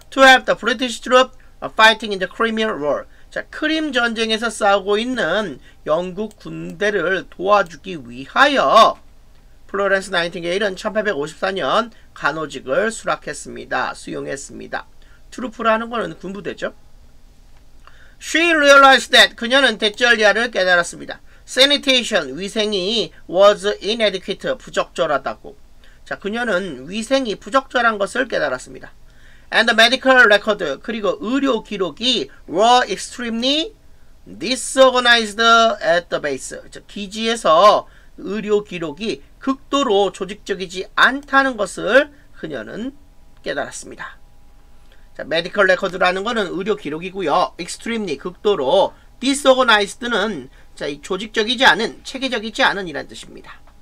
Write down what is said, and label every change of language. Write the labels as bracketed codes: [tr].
[en] To help the British troops fighting in the Crimean War. [ko] 자, 크림 전쟁에서 싸우고 있는 영국 군대를 도와주기 위하여 플로렌스 나이팅게일은 1854년 간호직을 수락했습니다. 수용했습니다. 트루프라는 거는 군부대죠. [en] She realized that [ko] 그녀는 대절리아를 깨달았습니다. [en] Sanitation, 위생이 was inadequate, [ko] 부적절하다고. 자, 그녀는 위생이 부적절한 것을 깨달았습니다. [en] And the medical record, [ko] 그리고 의료 기록이 [en] were extremely disorganized at the base. [ko] 즉, 기지에서 의료 기록이 극도로 조직적이지 않다는 것을 그녀는 깨달았습니다. 자, medical record라는 것은 의료 기록이고요. extremely, 극도로. disorganized는 자, 이 조직적이지 않은, 체계적이지 않은 이란 뜻입니다.